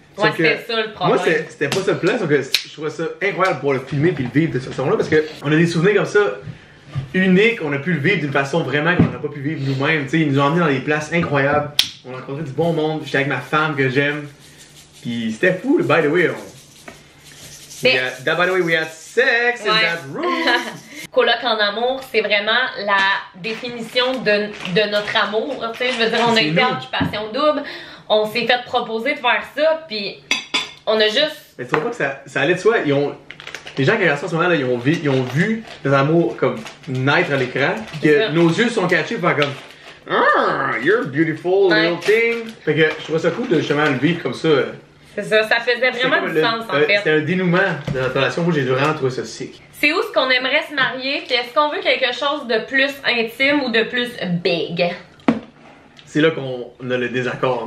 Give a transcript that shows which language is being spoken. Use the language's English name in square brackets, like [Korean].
[French] Ouais, c'était ça le problème. Moi, c'était pas ça le plan, sauf que je trouvais ça incroyable de pouvoir le filmer et le vivre de cette façon-là parce qu'on a des souvenirs comme ça uniques, on a pu le vivre d'une façon vraiment qu'on n'a pas pu vivre nous-mêmes. T'sais, ils nous ont emmenés dans des places incroyables, on a rencontré du bon monde, j'étais avec ma femme que j'aime. Puis c'était fou, [English] by the way. By the way, we had sex in that room. [French] Coloc en amour, c'est vraiment la définition de notre amour. T'sais, je veux dire, on a été en Occupation Double. On s'est fait proposer de faire ça, puis on a juste... Mais tu vois pas que ça allait de soi? Ils ont... Les gens qui regardent ça en ce moment-là, ils ont vu leur amour comme naître à l'écran, puis que nos yeux sont cachés par comme... [English] You're beautiful, little thing! [French] Fait que je trouve ça cool de justement le vivre comme ça. C'est ça, ça faisait vraiment du sens, en fait. C'était un dénouement de notre relation. Moi, j'ai vraiment trouvé ça sick. C'est où est-ce qu'on aimerait se marier? Puis est-ce qu'on veut quelque chose de plus intime ou de plus big? C'est là qu'on a le désaccord.